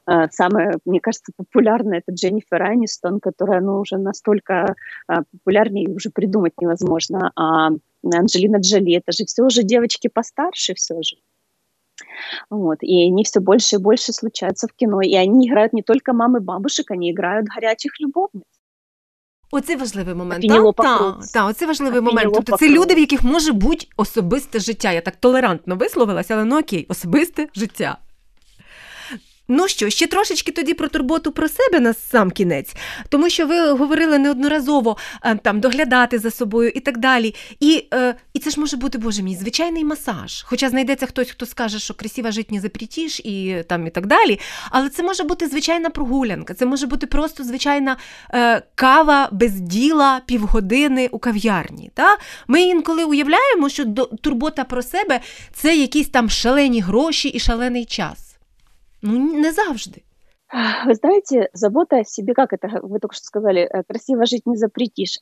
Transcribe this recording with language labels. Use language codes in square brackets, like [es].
[ru] Самое, мне кажется, популярное — это Дженнифер Энистон, которая, ну, уже настолько популярнее уже придумать невозможно. А Анджелина Джоли, это же все уже девочки постарше все же. Вот, и они все больше и больше случаются в кино. И они играют не только мам и бабушек, они играют горячих любовниц. [uk] Оце важливий момент. Оце важливий момент. Тобто це люди, в яких може бути особисте життя. Я так толерантно висловилася, але ну окей, особисте життя. Ну що, ще трошечки тоді про турботу про себе на сам кінець, тому що ви говорили неодноразово там доглядати за собою і так далі. І це ж може бути, Боже мій, звичайний масаж. Хоча знайдеться хтось, хто скаже, що красива жить не запретіш і там і так далі. Але це може бути звичайна прогулянка, це може бути просто звичайна кава без діла півгодини у кав'ярні. Та? Ми інколи уявляємо, що турбота про себе – це якісь там шалені гроші і шалений час. Ну, не завжди. [ru] Вы знаете, забота о себе, как это вы только что сказали, красиво жить не запретишь.